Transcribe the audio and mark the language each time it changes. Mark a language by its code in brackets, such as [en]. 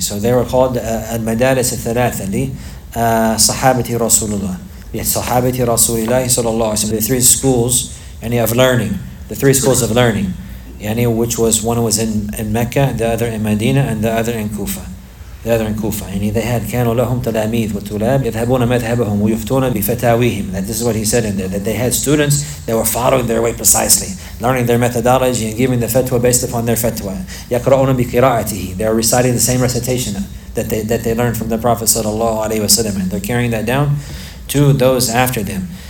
[en] So they were called [ar] al-madaris al-thalatha, sahabati Rasulullah. [en] Yes, sahabati Rasulullah sallallahu alayhi wa sallam. The three schools of learning, the three schools of learning. Yani, which was one was in Mecca, the other in Medina, and the other in Kufa. The other in Kufa. [ar] Yani, [en] they had [ar] كانوا لهم تلاميذ وتلاب يذهبون مذهبهم ويفتون بفتاويهم. [en] That this is what he said in there, that they had students that were following their way precisely, learning their methodology and giving the fatwa based upon their fatwa. [ar] يقرؤون بقراءته. [en] They are reciting the same recitation that they learned from the Prophet sallallahu alaihi wasallam, and they're carrying that down to those after them.